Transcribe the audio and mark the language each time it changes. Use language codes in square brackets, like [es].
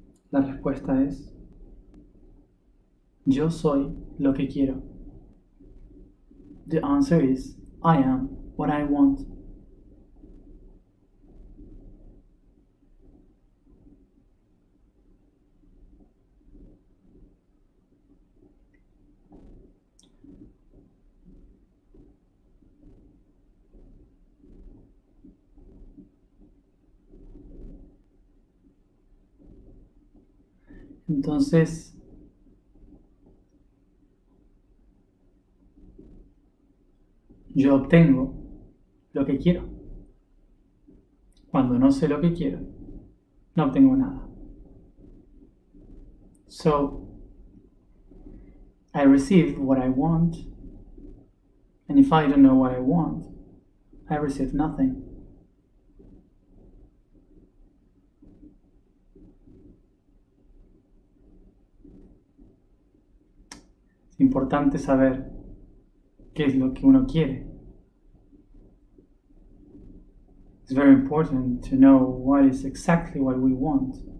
[es] La respuesta es: yo soy lo que quiero. [en] The answer is: I am what I want. [es] Entonces, yo obtengo lo que quiero. Cuando no sé lo que quiero, no obtengo nada. [en] So, I receive what I want, and if I don't know what I want, I receive nothing. [es] Es importante saber qué es lo que uno quiere. [en] It's very important to know what is exactly what we want.